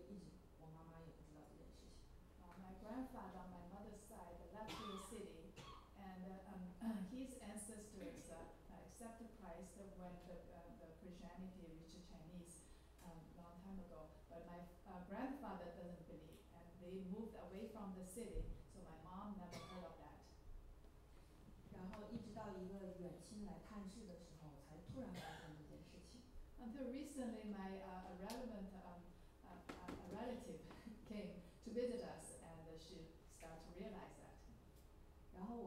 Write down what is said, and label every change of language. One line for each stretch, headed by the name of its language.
English: My grandfather on my mother's side left the city, and his ancestors accepted Christ when the Christianity reached Chinese long time ago. But my grandfather doesn't believe, and they moved away from the city, so my mom never heard of that.
Chinese: 然后一直到一个远亲来探视的时候，才突然发现这件事情。
English: Until recently, my relevant a relative came to visit us, and she started to realize that.